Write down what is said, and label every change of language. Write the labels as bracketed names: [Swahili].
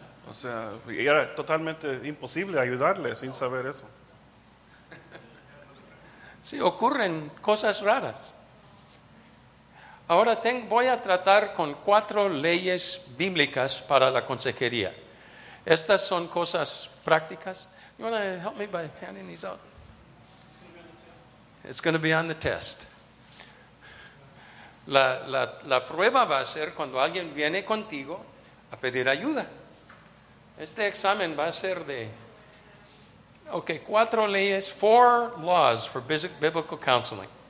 [Spanish] O sea, era totalmente imposible ayudarle sin saber eso. Sí, ocurren cosas raras. Ahora voy a tratar con 4 leyes bíblicas para la consejería. Estas son cosas prácticas. [English] You want to help me by handing these out? It's going to be on the test. [Spanish] La prueba va a ser cuando alguien viene contigo a pedir ayuda. Este examen va a ser de, okay, 4 leyes, [English] 4 laws for biblical counseling.